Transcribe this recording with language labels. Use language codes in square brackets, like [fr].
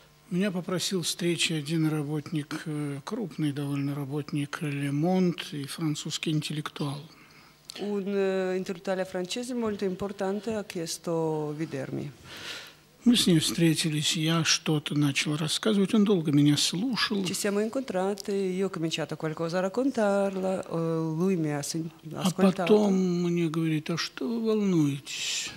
[ru] меня попросил встречи один работник, крупный довольно работник Le Monde и французский интеллектуал. [it] Un intellettuale francese molto importante ha chiesto vedermi. [ru] Мы с ним встретились, я что-то начал рассказывать, он долго меня слушал. [it] Ci siamo incontrati, io ho cominciato qualcosa a raccontarla, lui mi ha ascoltato. [ru] А потом мне говорит, а что вы волнуетесь?